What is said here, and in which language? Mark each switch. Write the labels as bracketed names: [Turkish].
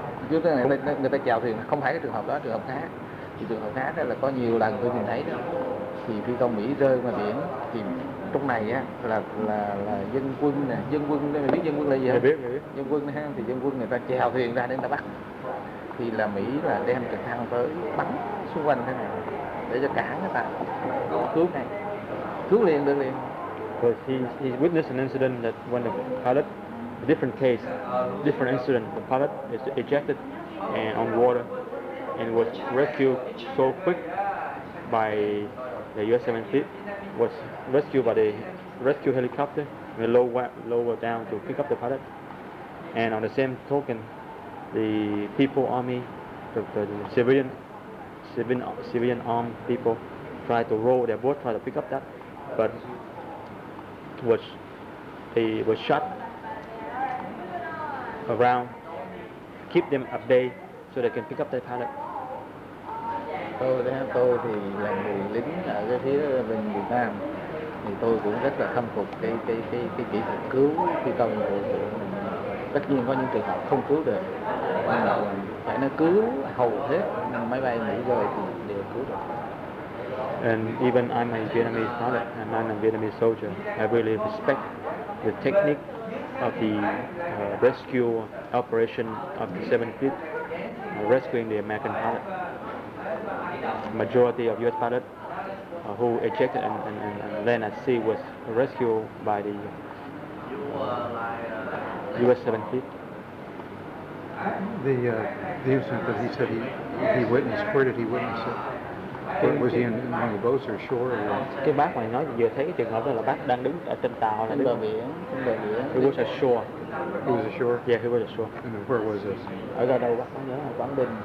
[Vietnamese] Chứ người ta chèo thuyền không phải cái trường hợp đó, trường hợp khác. Thì trường hợp khác đó là có nhiều lần tôi nhìn thấy đó, thì phi công Mỹ rơi ngoài biển thì trong này á là dân quân nè, dân quân mình biết dân quân là gì không? Biết. Dân quân ha, thì dân quân người ta chèo thuyền ra để người ta bắt, thì là Mỹ là đem trực thăng tới bắn xung quanh thế này để cho cản người ta cứu ngay, cứu liền được liền. [English] Because he witnessed an incident that when the pilot, a different case, different incident, the pilot is ejected and on water and was rescued so quick by the US 7th Fleet, was rescued by the rescue helicopter, they lower down to pick up the pilot. And on the same token, the people army, the civilian armed people tried to row their boat, tried to pick up that, but was shot around, keep them at bay so they can pick up their pilot. [Vietnamese] Tôi thì là người lính ở cái phía bên Việt Nam thì tôi cũng rất là khâm phục cái kỹ thuật cứu phi công của tất nhiên có những trường hợp không cứu được, ban đầu phải nó cứu hầu hết máy bay Mỹ rồi thì đều cứu được. [English] And even I'm a Vietnamese pilot and I'm a Vietnamese soldier, I really respect the technique of the rescue operation of the 7th Fleet rescuing the American pilot. Majority of US pilots who ejected and landed at sea was rescued by the US 7th Fleet. The incident that he said he witnessed, where did he witness it? Was he in one of the boats or shore? Or [Vietnamese] cái bác mày nói vừa thấy cái trường hợp đó là bác đang đứng ở trên tàu, trên bờ biển, trên bờ biển. [English] He was ashore. He was ashore. Yeah, he was ashore. And where was this? [Vietnamese] Ở ra đâu bác không nhớ, ở Quảng Bình.